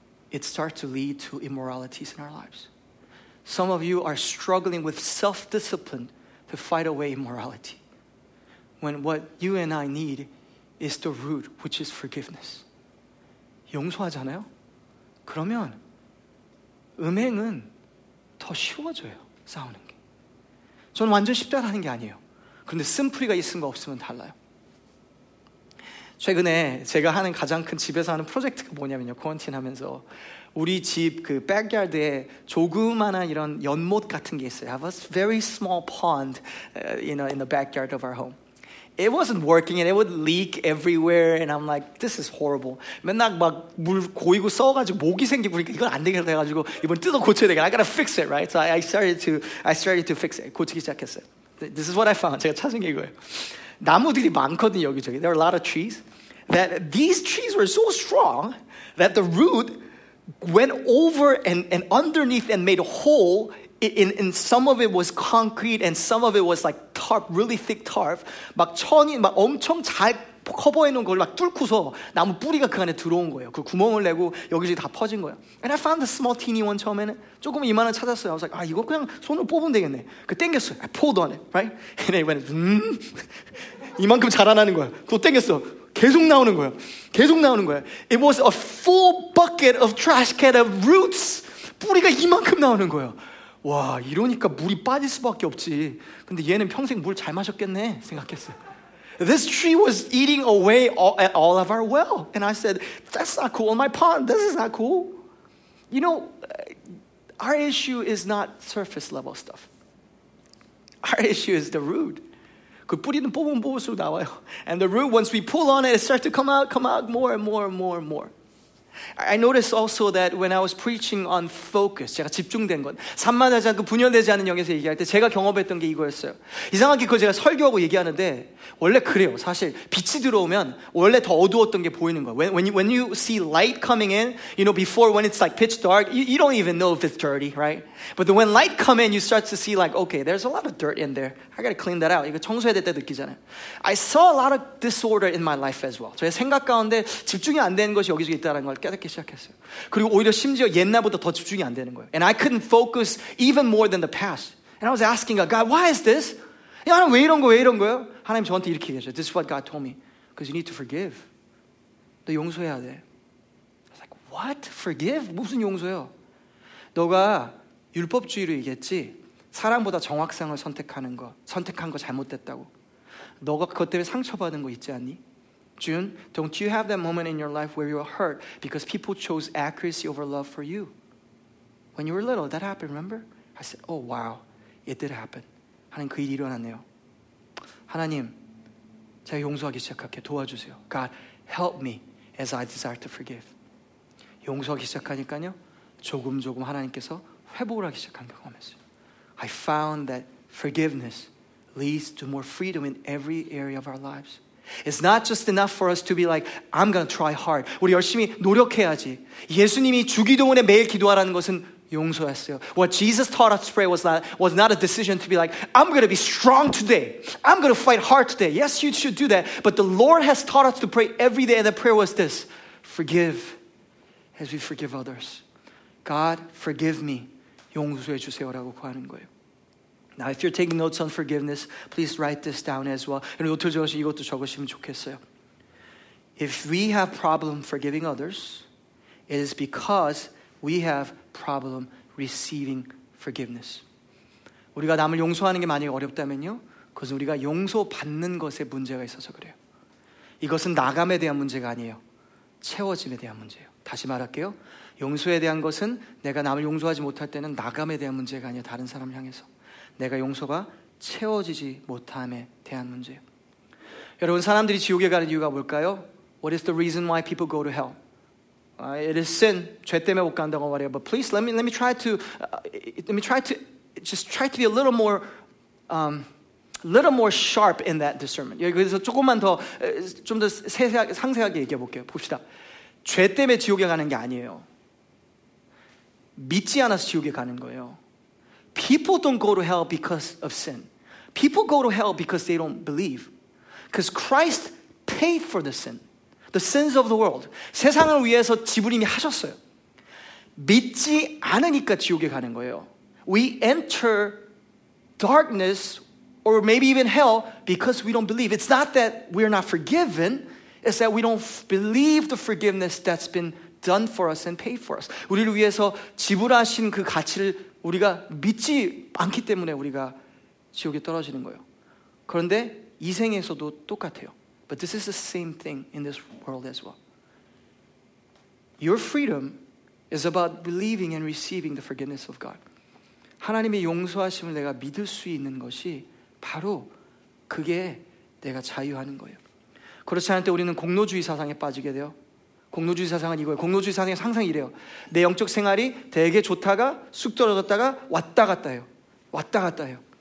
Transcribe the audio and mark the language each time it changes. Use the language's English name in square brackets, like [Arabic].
[English] It starts to lead to immoralities in our lives. Some of you are struggling with self-discipline to fight away immorality. When what you and I need is the root, which is forgiveness. [Korean] 용서하잖아요? 그러면 음행은 더 쉬워져요, 싸우는. 저는 완전 쉽다라는 게 아니에요. 그런데 쓴풀이가 있은 거 없으면 달라요. 최근에 제가 하는 가장 큰 집에서 하는 프로젝트가 뭐냐면요. 코런틴 하면서 우리 집 그 백야드에 조그만한 이런 연못 같은 게 있어요. [English] I have a very small pond in the backyard of our home. It wasn't working and it would leak everywhere and I'm like, this is horrible. [Korean] 맨날 막 물 고이고 써가지고 목이 생기고 그러니까 이건 안 되겠다 해가지고 이번 뜯어 고쳐야 되겠다. [English] I gotta fix it, right? So I started to fix it. [Korean] 고치기 시작했어요. [English] This is what I found. [Korean] 제가 찾은 게 이거예요. 나무들이 많거든요, 여기저기. [English] There are a lot of trees. That these trees were so strong that the root went over and underneath and made a hole In some of it was concrete and some of it was like tarp, really thick tarp. [Korean] 막 천이 막 엄청 잘 커버해 놓은 걸 막 뚫고서 나무 뿌리가 그 안에 들어온 거예요. 그 구멍을 내고 여기저기 다 퍼진 거예요. [English] And I found the small teeny one [Korean] 처음에는 조금 이만한 찾았어요. [English] I was like, [Korean] 아, 이거 그냥 손으로 뽑으면 되겠네. 그 땡겼어요. [English] I pulled on it, right? And it went, [Korean] 이만큼 자라나는 거야. 또 땡겼어. 계속 나오는 거야. 계속 나오는 거야. It was a full bucket of trash can of roots. 뿌리가 이만큼 나오는 거야. 와, 이러니까 물이 빠질 수밖에 없지. 근데 얘는 평생 물 잘 마셨겠네 생각했어요. [English] This tree was eating away all of our well. And I said, that's not cool. In my pond, this is not cool. You know, our issue is not surface level stuff. Our issue is the root. [Korean] 그 뿌리는 뽑으면 뽑을수록 나와요. [English] And the root, once we pull on it, it starts to come out more and more and more and more. I noticed also that when I was preaching on focus, [Korean] 제가 집중된 것, 산만하지 않고 분열되지 않은 영에서 얘기할 때 제가 경험했던 게 이거였어요. 이상하게 그걸 제가 설교하고 얘기하는데 원래 그래요. 사실 빛이 들어오면 원래 더 어두웠던 게 보이는 거예요. [English] When you see light coming in, you know, before when it's like pitch dark, you don't even know if it's dirty, right? But when light come in, you start to see like, okay, there's a lot of dirt in there. I gotta clean that out. [Korean] 이거 청소해야 될 때 느끼잖아요. [English] I saw a lot of disorder in my life as well. [Korean] 저의 생각 가운데 집중이 안 되는 것이 여기저기 있다는 걸 깨닫기 시작했어요. 그리고 오히려 심지어 옛날보다 더 집중이 안 되는 거예요. [English] And I couldn't focus even more than the past. And I was asking God, why is this? [Korean] 야, 하나님 왜 이런 거, 왜 이런 거요? 하나님 저한테 이렇게 얘기하셨어요. [English] This is what God told me. Because you need to forgive. [Korean] 너 용서해야 돼. [English] I was like, what? Forgive? [Korean] 무슨 용서요? 너가 율법주의로 얘기했지? 사랑보다 정확성을 선택하는 거, 선택한 거 잘못됐다고. 너가 그것 때문에 상처받은 거 있지 않니? [English] June, don't you have that moment in your life where you were hurt because people chose accuracy over love for you? When you were little, that happened, remember? I said, oh, wow, it did happen. [Korean] 하나님, 그 일이 일어났네요. 하나님, 제가 용서하기 시작할게. 도와주세요. [English] God, help me as I desire to forgive. [Korean] 용서하기 시작하니까요, 조금 조금 하나님께서 회복을 하기 시작한 경험했어요. [English] I found that forgiveness leads to more freedom in every area of our lives. It's not just enough for us to be like, I'm going to try hard. [Korean] 우리 열심히 노력해야지. 예수님이 주기도문에 매일 기도하라는 것은 용서였어요. [English] What Jesus taught us to pray was not a decision to be like, I'm going to be strong today. I'm going to fight hard today. Yes, you should do that. But the Lord has taught us to pray every day. And the prayer was this, forgive as we forgive others. God, forgive me. [Korean] 용서해 주세요라고 구하는 거예요. [English] Now, if you're taking notes on forgiveness, please write this down as well. [Korean] 이것도 적으시면 좋겠어요. [English] If we have problem forgiving others, it is because we have problem receiving forgiveness. [Korean] 우리가 남을 용서하는 게 만약에 어렵다면요, 그것은 우리가 용서받는 것에 문제가 있어서 그래요. 이것은 나감에 대한 문제가 아니에요. 채워짐에 대한 문제예요. 다시 말할게요. 용서에 대한 것은 내가 남을 용서하지 못할 때는 나감에 대한 문제가 아니에요. 다른 사람을 향해서. 내가 용서가 채워지지 못함에 대한 문제예요. 여러분, 사람들이 지옥에 가는 이유가 뭘까요? [English] What is the reason why people go to hell? It is sin. [Korean] 죄 때문에 못 간다고 말해요. [English] But please let me try to be a little more sharp in that discernment. [Korean] 여기서 조금만 더 좀 더 세세하게 상세하게 얘기해 볼게요. 봅시다. 죄 때문에 지옥에 가는 게 아니에요. 믿지 않아서 지옥에 가는 거예요. [English] People don't go to hell because of sin. People go to hell because they don't believe. Because Christ paid for the sin. The sins of the world. [Korean] 세상을 위해서 지불이미 하셨어요. 믿지 않으니까 지옥에 가는 거예요. [English] We enter darkness or maybe even hell because we don't believe. It's not that we're not forgiven. It's that we don't believe the forgiveness that's been done for us and paid for us. [Korean] 우리를 위해서 지불하신 그 가치를 우리가 믿지 않기 때문에 우리가 지옥에 떨어지는 거예요. 그런데 이 생에서도 똑같아요. [English] But this is the same thing in this world as well. Your freedom is about believing and receiving the forgiveness of God. [Korean] 하나님의 용서하심을 내가 믿을 수 있는 것이 바로 그게 내가 자유하는 거예요. 그렇지 않을 때 우리는 공로주의 사상에 빠지게 돼요. 공로주의 사상은 이거예요. 공로주의 사상은 항상 이래요. 내 영적 생활이 되게 좋다가 쑥 떨어졌다가 왔다 갔다 해요. 왔다 갔다 해요.